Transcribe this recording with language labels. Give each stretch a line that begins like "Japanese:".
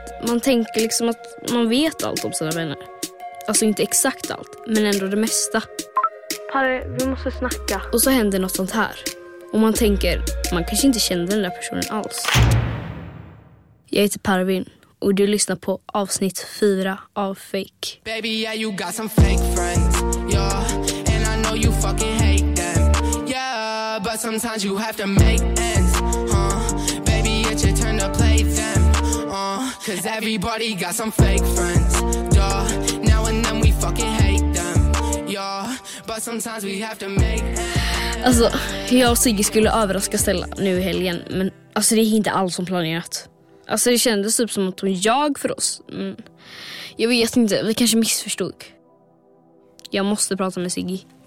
Swedish: Man tänker liksom att man vet allt om sina vänner. Alltså inte exakt allt, men ändå det mesta. Harry, vi måste snacka. Och så händer något sånt här. Och man tänker, man kanske inte kände den där personen alls. Jag heter Parvin och du lyssnar på avsnitt 4 av Fake.
English: Baby, yeah, you got some fake friends, yeah. And I know you fucking hate them, yeah. But sometimes you have to make ends, Baby, it's your turn to play them, 'Cause everybody got some fake friends, yeah. Now and then we fucking hate them, yeah. But sometimes we have to make ends.
Swedish: Alltså, jag och Sigge skulle överraska Stella nu i helgen. Men alltså, det är inte alls som planerat. Alltså det kändes typ som att hon jag för oss. Men jag vet inte, vi kanske missförstod. Jag måste prata med Siggy.